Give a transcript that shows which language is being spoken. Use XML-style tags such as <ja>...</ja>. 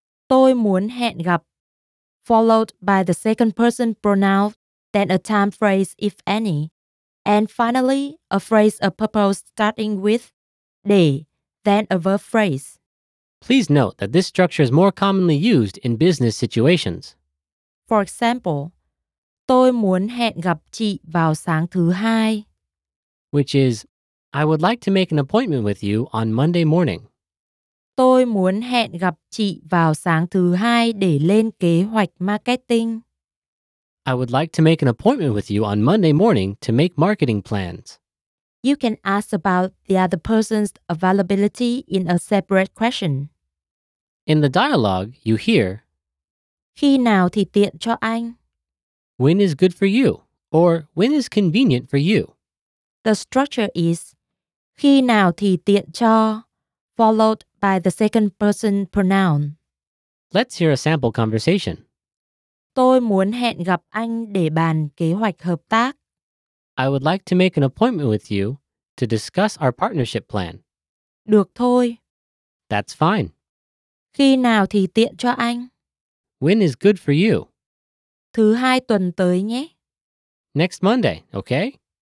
<vi>tôi muốn hẹn gặp,</vi> <en>followed by the second person pronoun, then a time phrase if any, and finally a phrase or purpose starting with để, then a verb phrase. Please note that this structure is more commonly used in business situations. For example,</en> <vi>tôi muốn hẹn gặp chị vào sáng thứ hai.</vi> <en>Which is, I would like to make an appointment with you on Monday morning.</en> <vi>Tôi muốn hẹn gặp chị vào sáng thứ hai để lên kế hoạch marketing.</vi> <en>I would like to make an appointment with you on Monday morning to make marketing plans. You can ask about the other person's availability in a separate question. In the dialogue, you hear,</en> <vi>Khi nào thì tiện cho anh?</vi> <en>When is good for you? Or when is convenient for you? The structure is</en> <vi>Khi nào thì tiện cho,</vi> <en>followed by the second person pronoun. Let's hear a sample conversation.</en> <vi>Tôi muốn hẹn gặp anh để bàn kế hoạch hợp tác.</vi> <en>I would like to make an appointment with you to discuss our partnership plan.</en> <vi>Được thôi.</vi> <en>That's fine.</en> <vi>Khi nào thì tiện cho anh?</vi> <en>When is good for you?</en> <vi>Thứ hai tuần tới nhé.</vi> <en>Next Monday, okay?</en>